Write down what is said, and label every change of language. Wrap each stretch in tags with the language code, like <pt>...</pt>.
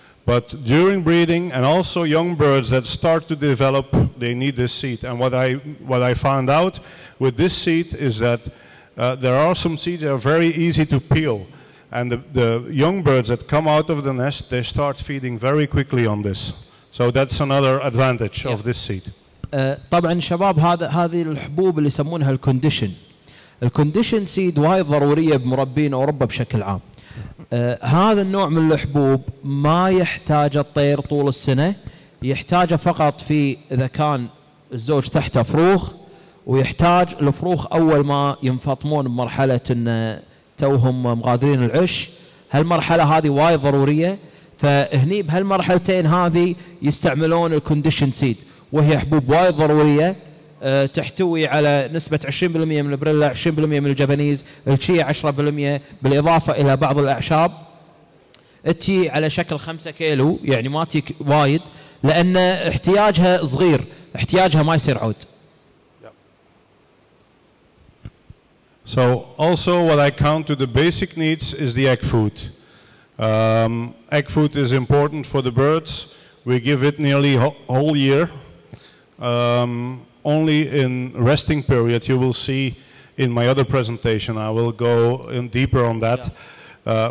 <en>But during breeding, and also young birds that start to develop, they need this seed. And what I found out with this seed is that there are some seeds that are very easy to peel. And the young birds that come out of the nest, they start feeding very quickly on this. So that's another advantage of this seed.</en> <ar>طبعا شباب هذه الحبوب اللي يسمونها الكونديشن. الكونديشن سيد وايد ضرورية بمربين أوروبا بشكل عام. هذا النوع من الحبوب ما يحتاج الطير طول السنة، يحتاجه فقط في إذا كان الزوج تحته فروخ، ويحتاج الفروخ أول ما ينفطمون بمرحلة إن توهم مغادرين العش. هالمرحلة هذه وايد ضرورية، فهني بهالمرحلتين هذه يستعملون الكونديشن سيد، وهي حبوب وايد ضرورية تحتوي على نسبة 20% من البريلا، 20% من الجابانيز، الشيا 10%، بالإضافة إلى بعض الأعشاب. تي على شكل 5 كيلو، يعني ما تي وايد، لأن احتياجها صغير، احتياجها ما يصير عود.</ar> <en>So also what I count to the basic needs is the egg food. Egg food is important for the birds. We give it nearly whole year. Only in resting period, you will see in my other presentation, I will go in deeper on that. Yeah.</en>